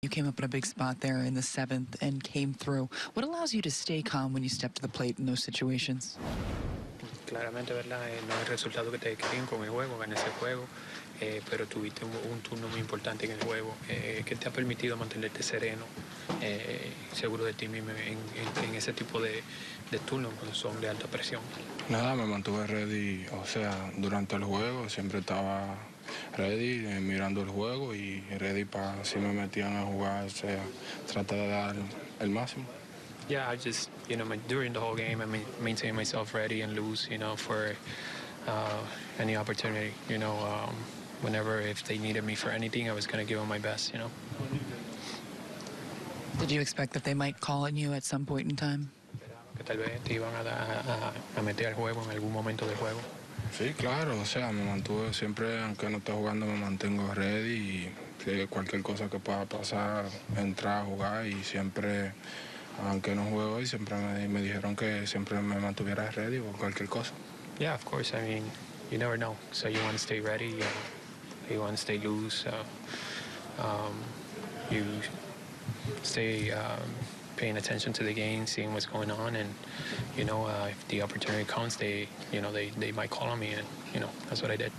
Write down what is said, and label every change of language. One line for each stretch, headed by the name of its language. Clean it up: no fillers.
English: You came up in a big spot there in the seventh and came through. What allows you to stay calm when you step to the plate in those situations?
Spanish: Claramente, verdad, no es el resultado que te querían con el juego, gané ese juego, pero tuviste un turno muy importante en el juego que te ha permitido mantenerte sereno, seguro de ti mismo en ese tipo de turnos cuando son de alta presión. Nada, me mantuve ready, o sea, durante el juego siempre estaba ready, mirando el juego y ready para si me metían a jugar, o sea, tratar de dar el máximo.
English: Yeah, I just, you know, during the whole game, I maintain myself ready and loose, you know, for any opportunity, you know, whenever if they needed me for anything, I was going to give them my best, you know. Did you expect that they might call on you at some point in time?
Spanish: Tal vez te iban a meter al juego en algún momento del juego. Sí, claro, o sea, me mantuve siempre, aunque no esté jugando, me mantengo ready y cualquier cosa que pueda pasar, entrar a jugar y siempre. Aunque no juego hoy, siempre me dijeron que siempre me mantuviera ready por cualquier cosa.
English: Yeah, of course. I mean, you never know. So you want to stay ready, you want to stay loose. You stay paying attention to the game, seeing what's going on, and you know, if the opportunity comes, they, you know, they might call on me, and you know, that's what I did.